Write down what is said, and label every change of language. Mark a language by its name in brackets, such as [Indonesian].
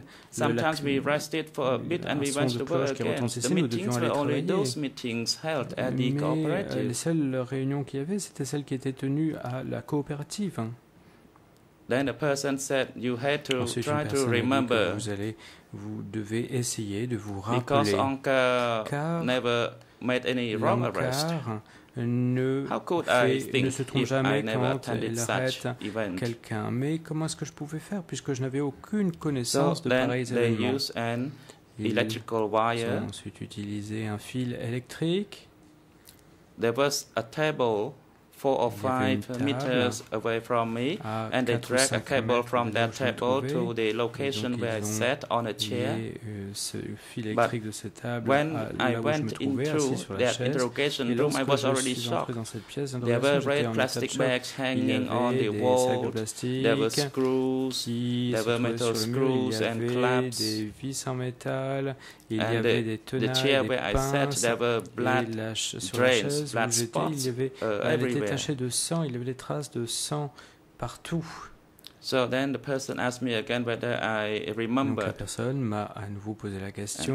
[English] Sometimes we rested for a bit and we went to work again. The meetings were only those meetings held at the cooperative. [French] Les seules réunions qu'il y avait, c'était celles qui étaient tenues à la coopérative. [English] Then a person said you had to try to remember. [French] Vous devez essayer de vous rappeler. [English] Because Onka never made any wrong arrest. How could I think if I never attended such event? [French] Quelqu'un. Mais comment est-ce que je pouvais faire puisque je n'avais aucune connaissance [English] so [French] de pareils événements? [English] An electrical wire. [French] Ils ont ensuite utilisé un fil électrique. [English] There was a table 4 or 5 meters away from me, and they dragged a cable from that table to the location where I sat on a chair. But when I went into that interrogation room, I was already shocked. There were red plastic bags hanging on the wall. There were screws, there were metal screws and clamps. And the chair where I sat, there were blood drains, blood spots everywhere. [French] De sang, il y avait des traces de sang partout. [English] So then the person asked me again whether I remember. [French] Donc la personne m'a à nouveau posé la question,